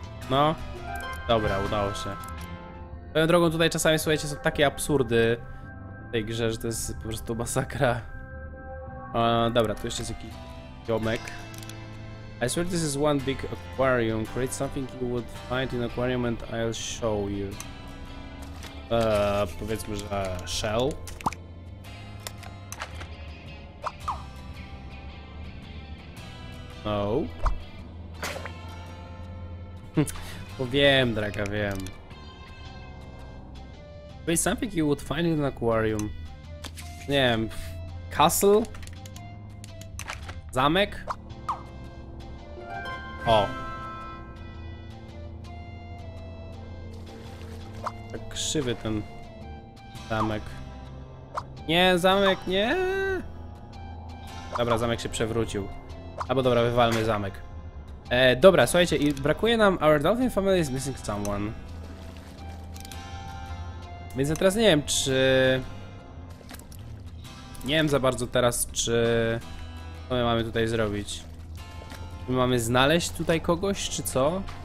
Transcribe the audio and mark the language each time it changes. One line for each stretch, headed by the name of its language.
Polish: No, dobra, udało się. Swoją drogą, tutaj czasami, słuchajcie, są takie absurdy w tej grze, że to jest po prostu masakra. Dobra, tu jeszcze jest jakiś domek.
English: I swear this is one big aquarium. Create something you would find in aquarium and I'll show you.
Polish: Powiedzmy, że shell. No. Bo wiem, draga, wiem.
English: Create something you would find in an aquarium.
Polish: Nie wiem. Castle? Zamek? O. Tak krzywy ten zamek. Nie, zamek, nie! Dobra, zamek się przewrócił. Albo dobra, wywalmy zamek. Dobra, słuchajcie, i brakuje nam.
English: Our Dolphin Family is missing someone.
Polish: Więc ja teraz nie wiem, czy. Nie wiem za bardzo teraz, czy. Co my mamy tutaj zrobić? My mamy znaleźć tutaj kogoś, czy co?